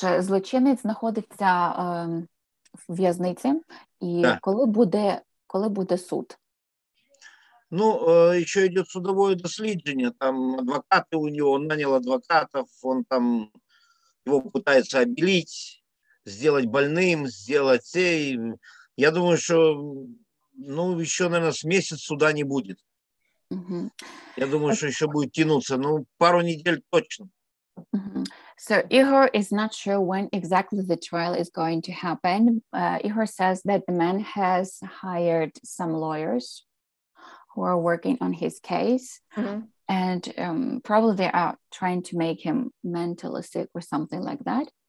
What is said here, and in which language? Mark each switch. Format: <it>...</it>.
<uk>Злочинець знаходиться в в'язниці, і коли буде суд? Ну, ще йде судове дослідження. Там адвокати у нього, наняв адвокатів, він там його намагається обілити, зробити больним, зробити це.</uk> <ru>Я думаю, що еще, наверное, с месяц суда не будет. Mm-hmm. Я думаю, что еще будет тянуться. Ну, пару недель точно. Mm-hmm.</ru> <en>So, Igor is not sure when exactly the trial is going to happen. Igor says that the man has hired some lawyers who are working on his case. Mm-hmm. And probably they are trying to make him mentally sick or something like that.</en>